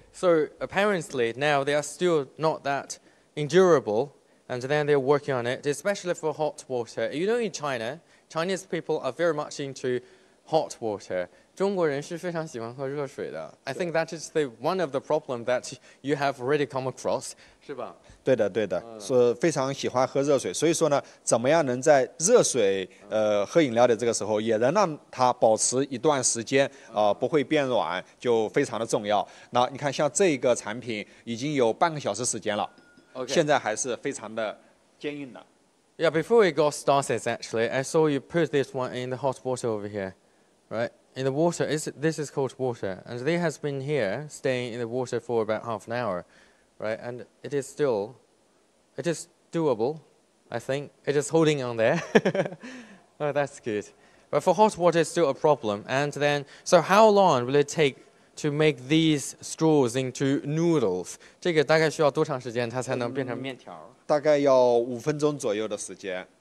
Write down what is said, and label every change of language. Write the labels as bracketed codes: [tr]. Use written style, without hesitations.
[en] so apparently now they are still not that endurable. And they are working on it, especially for hot water. You know, in China, Chinese people are very much into hot water. [zh] 中国人是非常喜欢喝热水的。 [en] I think that is one of the problems that you have already come across, [zh] 是吧？对的，对的，是非常喜欢喝热水。所以说呢，怎么样能在热水喝饮料的这个时候，也能让它保持一段时间，不会变软，就非常的重要。那你看，像这个产品已经有半个小时时间了。 [en] Okay. [zh] 现在还是非常的坚硬的。Yeah, [en] before we got started, actually, I saw you put this one in the hot water over here, right? In the water, this is cold water, and it has been here, staying in the water for about half an hour, right? And it is doable, I think. It is holding on there. Oh, that's good. But for hot water, it's still a problem. And then, so how long will it take to make these straws into noodles? [zh] 这个大概需要多长时间它才能变成面条？大概要5分钟左右的时间。